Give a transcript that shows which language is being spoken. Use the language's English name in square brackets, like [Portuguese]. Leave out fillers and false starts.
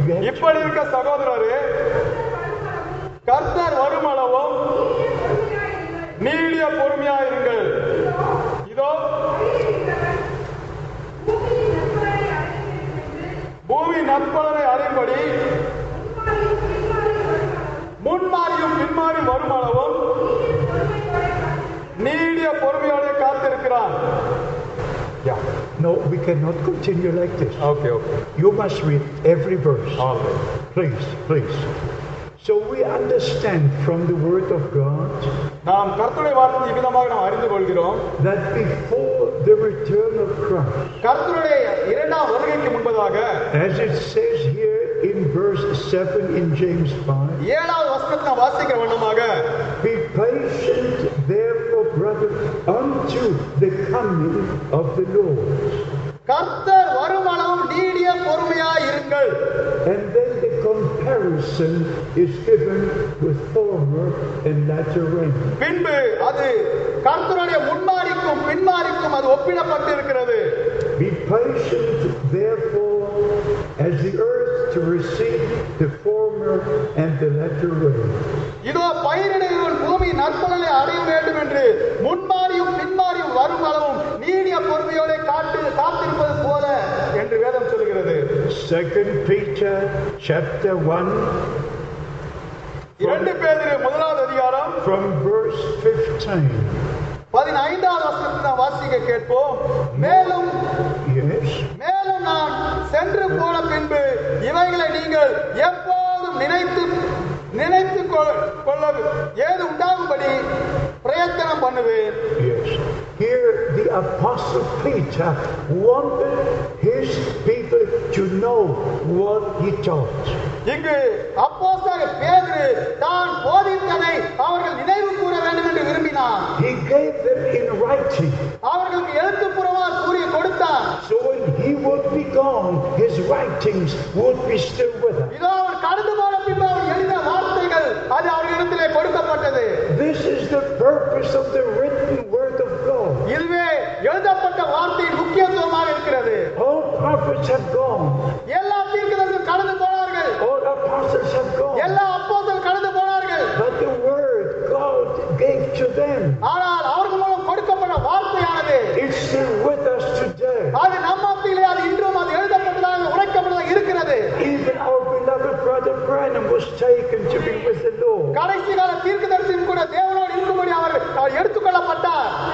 [Tamil] இப்படி இருக்க சகோதரரே கர்த்தர் வருமளவும் நீடிய பொறுமையாயிருங்கள் இதோ பூமி நற்பலனை அறியும்படி முன்மாறியும் பின்மாறி வருமளவும் நீடிய பொறுமையோட காத்திருக்கிறார் [English] Yeah. No, we cannot continue like this. Okay. You must read every verse. Okay. Please. So we understand from the word of God [Tamil] நாம் கர்த்தருடைய வார்த்தை இவ்விதமாக நாம் அறிந்து கொள்கிறோம் [English] that before the return of Christ [Tamil] கர்த்தருடைய இரண்டாம் வருகைக்கு முன்பதாக [English] as it says here in verse 7 in James 5 [Tamil] ஏழாவது வசனத்தை நாம் வாசிக்கிற வண்ணமாக [English] be patient therefore brother unto the coming of the Lord [Tamil] கர்த்தர் வருமளவும் நீடிய பொறுமையாய் இருங்கள் [English] and then comparison is given with former and latter rain [Tamil] பின்பு அது கர்த்தருடைய முன்மாறிக்கும் பின்மாறிக்கும் அது ஒப்பிடப்பட்டிருக்கிறது [English] be patient therefore as the earth to receive the former and the latter rain [Tamil] இதோ பயிரிடுகிறவன் பூமி நற்பலனை அடைய வேண்டும் என்று முன்மாறியும் பின்மாறியும் வருமளவும் நீடிய பொறுமையோடே காத்திருப்பது போல என்று வேதம் சொல்கிறது [English] 2 Peter chapter 1 [Tamil] 2 பேதுரு முதலாவது அதிகாரம் [English] from verse 15 [Tamil] 15வது வசனத்தை நாம் வாசிக்க கேட்போம் மேலும் [English] yes [Tamil] மேலும் நான் சென்று போன பின்பு இவைகளை நீங்கள் எப்போதும் நினைத்து கொள்ளது ஏது உண்டாகும்படி பிரயத்தனம் பண்ணுவேன் [English] yes Here the apostle Peter wanted his people to know what he taught. [Tamil] இங்கு அப்போஸ்தலர் பேதுரு தான் போதித்ததை அவர்கள் நினைவுகூர வேண்டும் என்று விரும்பினார். [English] He gave them in writing. [Tamil] அவர்களுக்கு எழுத்துப்பூர்வமாக கூறி கொடுத்தார். [English] So when he would be gone, his writings would be still with us. [Tamil] இதோ அவர் கடந்து போன பின்பு அவர் எழுத வார்த்தைகள் அது அவர்கள் இடத்திலே கொடுக்கப்பட்டது. [English] This is the purpose of the written word of [Tamil] இதுவே எழுதப்பட்ட வார்த்தை முக்கியத்துவமாக இருக்கிறது [English] All prophets have gone. [Tamil] எல்லா தீர்க்கதரிசிகளும் கடந்து போனார்கள் [English] All apostles have gone. [Tamil] எல்லா அப்போஸ்தலர்களும் கடந்து போனார்கள் [English] But the word God gave to them. [Tamil] ஆனால் அவர்கள் மூலம் கொடுக்கப்பட்ட வார்த்தையானது [English] It's still with us today. [Tamil] அது நம்மத்திலே அது இன்றும் அது எழுதப்பட்டதாக உரைக்கப்பட்டதாக இருக்கிறது [English] Even our beloved brother Branham was taken to be with the Lord. [Tamil] கடைசி கால தீர்க்கதரிசியும் கூட தேவனோடு இருக்கும்படி அவர் எடுத்துக்கொள்ளப்பட்டார்